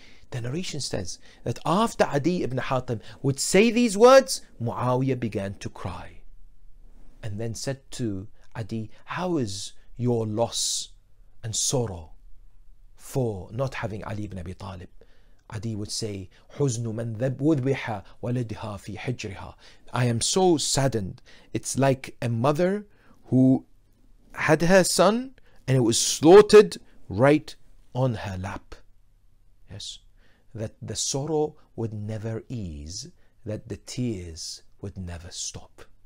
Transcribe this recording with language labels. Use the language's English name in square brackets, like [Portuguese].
[English] The narration says that after Adi ibn Hatim would say these words, Muawiyah began to cry. And then said to Adi, how is your loss and sorrow for not having Ali ibn Abi Talib? Adi would say, [Arabic] حُزْنُ مَنْ ذَبْوُذْبِحَ وَلَدْهَا فِي حِجْرِهَا. [English] I am so saddened. It's like a mother who had her son and it was slaughtered right on her lap. Yes, that the sorrow would never ease, that the tears would never stop.